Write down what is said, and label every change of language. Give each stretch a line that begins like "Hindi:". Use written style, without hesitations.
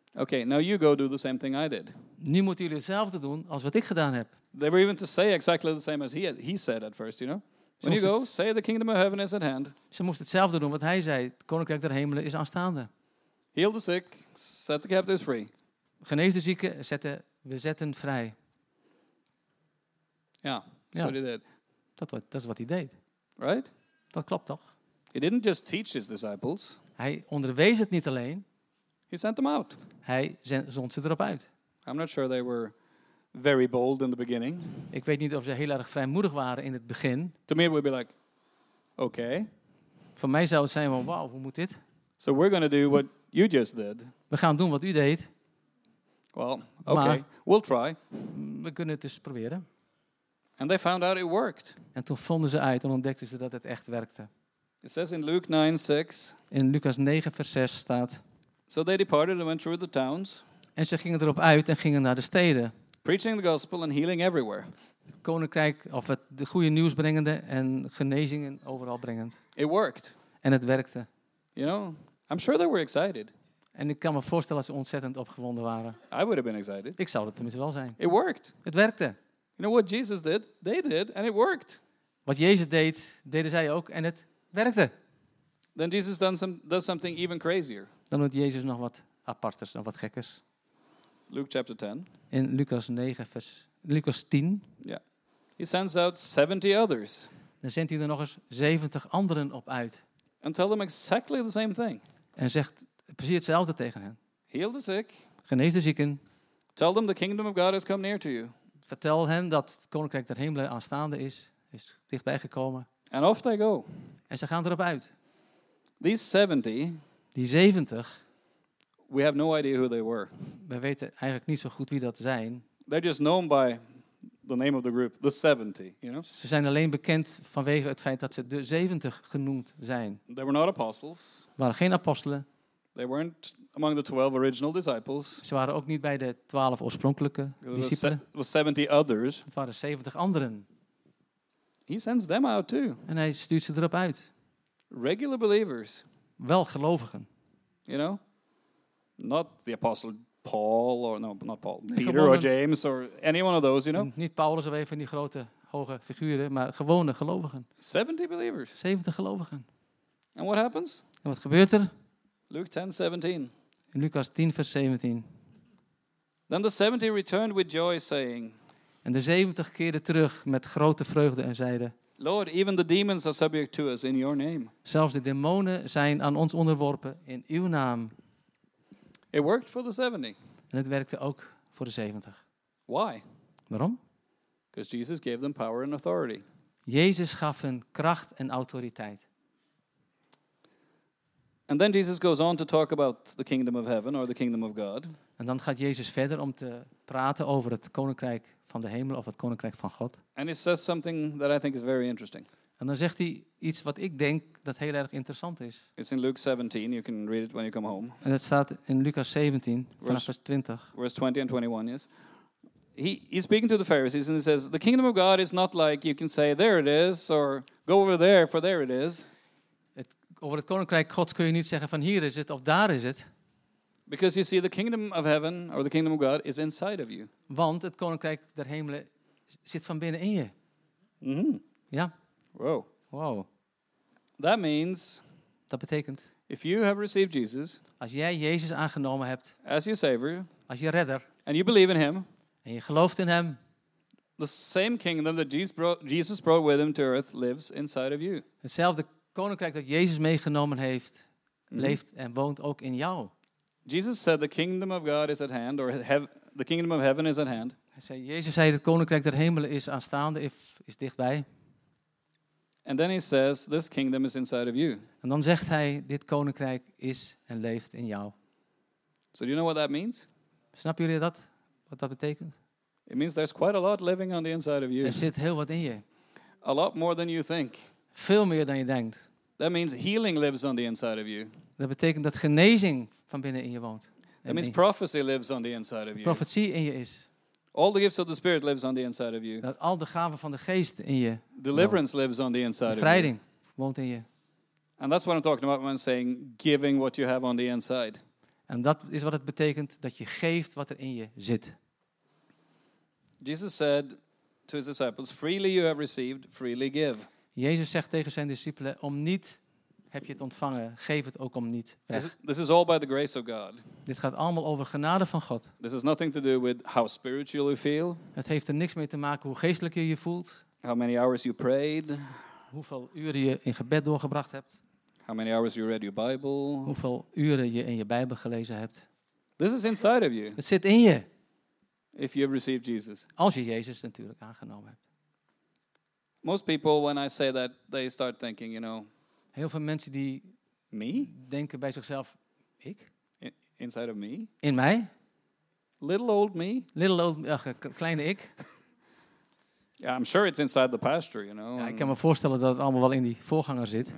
English: Okay, now you go do the same thing I did.
Dutch: Nu moeten jullie hetzelfde doen als wat ik gedaan heb.
English: They were even to say exactly the same as he said at first, you know. When you go, say the kingdom of heaven is at hand.
Dutch: Ze moesten hetzelfde doen wat hij zei. Het koninkrijk der hemelen is aanstaande.
English: Heal the sick, set the captives free.
Dutch: Genees de zieken, we zetten vrij.
English: Yeah, that's what he did.
Dutch: Dat is wat hij deed.
English: Right?
Dutch: Dat klopt toch?
English: He didn't just teach his disciples.
Dutch: Hij onderwees het niet alleen.
English: He sent them out.
Dutch: Hij zond ze erop uit.
English: I'm not sure they were very bold in the beginning.
Dutch: Ik weet niet of ze heel erg vrijmoedig waren in het begin.
English: To me it would be like, okay.
Dutch: Voor mij zou het zijn van, wauw, hoe moet dit?
English: So we're going to do what you just did.
Dutch: We gaan doen wat u deed.
English: Well, okay,
Dutch: maar
English: we'll try.
Dutch: We kunnen het eens proberen.
English: And they found out it worked.
Dutch: En toen vonden ze uit en ontdekten ze dat het echt werkte.
English: It says in Luke 9, 6.
Dutch: In Lucas 9, vers 6 staat.
English: So they departed and went through the towns.
Dutch: En ze gingen erop uit en gingen naar de steden.
English: Preaching the gospel and healing everywhere.
Dutch: Het koninkrijk of het de goede nieuws brengende en genezingen overal brengend.
English: It worked.
Dutch: En het werkte.
English: You know, I'm sure they were excited.
Dutch: En ik kan me voorstellen dat ze ontzettend opgewonden waren.
English: I would have been excited.
Dutch: Ik zou het tenminste wel zijn.
English: It worked.
Dutch: Het werkte.
English: You know what Jesus did? They did and it worked.
Dutch: Wat Jezus deed, deden zij ook en het werkte.
English: Then Jesus does something even crazier.
Dutch: Dan doet Jezus nog wat aparters, nog wat gekkers.
English: Luke chapter 10.
Dutch: In Lucas 9 vers Lucas 10. Ja.
English: Yeah. He sends out 70 others.
Dutch: Dan zendt hij er nog eens 70 anderen op uit.
English: And tell them exactly the same thing.
Dutch: En zegt precies hetzelfde tegen hen.
English: Heal the sick.
Dutch: Genees de zieken.
English: Tell them the kingdom of God has come near to you.
Dutch: Vertel hen dat het koninkrijk der hemelen aanstaande is dichtbij gekomen.
English: And off they go.
Dutch: En ze gaan erop uit.
English: These 70.
Dutch: Die 70.
English: We have no idea who they were.
Dutch: We weten eigenlijk niet zo goed wie dat zijn.
English: They're just known by the name of the group, the 70, you know?
Dutch: Ze zijn alleen bekend vanwege het feit dat ze de 70 genoemd zijn.
English: They were not apostles.
Dutch: Waren geen apostelen.
English: They weren't among the 12 original disciples.
Dutch: Ze waren ook niet bij de 12 oorspronkelijke discipelen.
English: It was 70 others.
Dutch: Het waren 70 anderen.
English: He sends them out too.
Dutch: En hij stuurt ze erop uit.
English: Regular believers.
Dutch: Wel gelovigen.
English: You know? Not the apostle Paul or no, not Paul.
Dutch: Nee,
English: Peter or James or any one of those, you know?
Dutch: Niet Paulus of een van die grote hoge figuren, maar gewone gelovigen.
English: 70 believers.
Dutch: 70 gelovigen.
English: And what happens?
Dutch: En wat gebeurt er?
English: Luke 10, 17.
Dutch: In Lucas 10, vers 17.
English: Then the 70 returned with joy, saying.
Dutch: En de 70 keerde terug met grote vreugde en zeiden.
English: Lord, even the demons are subject to us in your name.
Dutch: Zelfs de demonen zijn aan ons onderworpen in uw naam.
English: It worked for the 70.
Dutch: En het werkte ook voor de 70.
English: Why?
Dutch: Waarom?
English: Because Jesus gave them power and authority.
Dutch: Jezus gaf hen kracht en autoriteit.
English: And then Jesus goes on to talk about the kingdom of heaven or the kingdom of God.
Dutch: En dan gaat Jezus verder om te praten over het koninkrijk van de hemel of het koninkrijk van God.
English: And he says something that I think is very interesting.
Dutch: En dan zegt hij iets wat ik denk dat heel erg interessant is.
English: It's in Luke 17. You can read it when you come home.
Dutch: En het staat in Lucas 17 vanaf vers 20.
English: Verse 20 and 21, yes. He's speaking to the Pharisees and he says, the kingdom of God is not like you can say there it is or go over there for there it is.
Dutch: Over het koninkrijk Gods kun je niet zeggen van hier is het of daar is het.
English: Because you see, the kingdom of heaven or the kingdom of God is inside of you.
Dutch: Want het koninkrijk der hemelen zit van binnen in je. Mm-hmm. Ja. Wow. Wow.
English: That means.
Dutch: Dat betekent.
English: If you have received Jesus.
Dutch: Als jij Jezus aangenomen hebt.
English: As your savior.
Dutch: Als je redder.
English: And you believe in him.
Dutch: En je gelooft in hem.
English: The same kingdom that Jesus brought with him to earth lives inside of you.
Dutch: Hetzelfde koninkrijk dat Jezus meegenomen heeft, leeft en woont ook in jou.
English: Jesus said the kingdom of God is at hand, or the kingdom of heaven is at hand.
Dutch: Jezus zei het koninkrijk der hemelen is aanstaande, is dichtbij.
English: And then he says this kingdom is inside of you.
Dutch: En dan zegt hij dit koninkrijk is en leeft in jou.
English: So do you know what that means?
Dutch: Snap jullie dat? Wat dat betekent?
English: It means there's quite a lot living on the inside of you.
Dutch: Er zit heel wat in je.
English: A lot more than you think.
Dutch: Veel meer dan je denkt.
English: That means healing lives on the inside of you.
Dutch: Dat betekent dat genezing van binnen in je woont.
English: That means prophecy lives on the inside of you.
Dutch: Profetie in je is.
English: All the gifts of the Spirit lives on the inside of you.
Dutch: Dat al de gaven van de Geest in je.
English: Deliverance lives on the inside of you.
Dutch: Bevrijding woont in je.
English: And that's what I'm talking about when I'm saying giving what you have on the inside.
Dutch: En dat is wat het betekent dat je geeft wat er in je zit.
English: Jesus said to his disciples, freely you have received, freely give.
Dutch: Jezus zegt tegen zijn discipelen, om niet heb je het ontvangen, geef het ook om niet weg.
English: This is all by the grace of God.
Dutch: Dit gaat allemaal over genade van God.
English: This has nothing to do with how spiritual you feel.
Dutch: Het heeft er niks mee te maken hoe geestelijk je je voelt.
English: How many hours you prayed.
Dutch: Hoeveel uren je in gebed doorgebracht hebt.
English: How many hours you read your Bible.
Dutch: Hoeveel uren je in je Bijbel gelezen hebt.
English: This is inside of you.
Dutch: Het zit in je.
English: If you have received Jesus.
Dutch: Als je Jezus natuurlijk aangenomen hebt.
English: Most people, when I say that, they start thinking, you know.
Dutch: Heel veel mensen die me denken bij zichzelf, ik.
English: Inside of me.
Dutch: In mij.
English: Little old me. Little old,
Dutch: kleine ik.
English: Yeah, I'm sure it's inside the pastor, you know.
Dutch: Ja, ik kan me voorstellen dat het allemaal wel in die voorganger zit.